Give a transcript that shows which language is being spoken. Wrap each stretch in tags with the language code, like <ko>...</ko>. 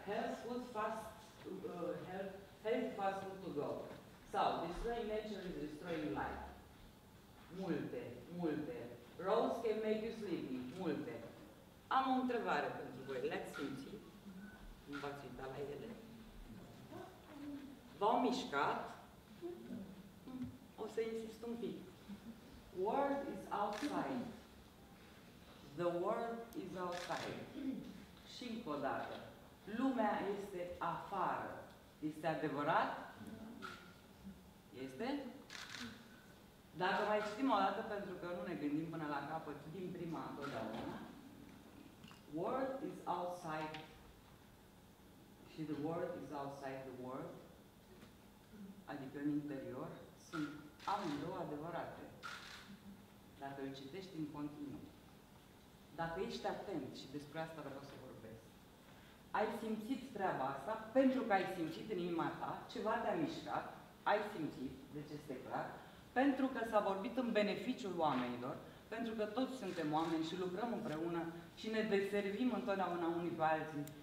<en>Health food fast, health fast food to go. Sau, destroying nature is destroying life.</en> <ro>Multe, multe.</ro> <en>Roads can make you sleepy.</en> <ro>Multe. Am o întrebare pentru voi. Le-ați simțit? Nu v-ați uitat la ele? V-au mișcat? O să insist un pic.</ro> <en>World is outside. The world is outside.</en> <ro>Și încă o dată. Lumea este afară. Este adevărat? Este? Dacă mai citim o dată, pentru că nu ne gândim până la capăt, din prima, întotdeauna.</ro> <en>World is outside. Și the world is outside the world.</en> <ro>Adică în interior, sunt amândouă adevărate. Dacă îl citești în continuu. Dacă ești atent, și despre asta vreau să vorbesc. Ai simțit treaba asta, pentru că ai simțit în inima ta, ceva te-a mișcat, ai simțit, deci este clar, pentru că s-a vorbit în beneficiul oamenilor, pentru că toți suntem oameni și lucrăm împreună și ne deservim întotdeauna unii pe alții.</ro>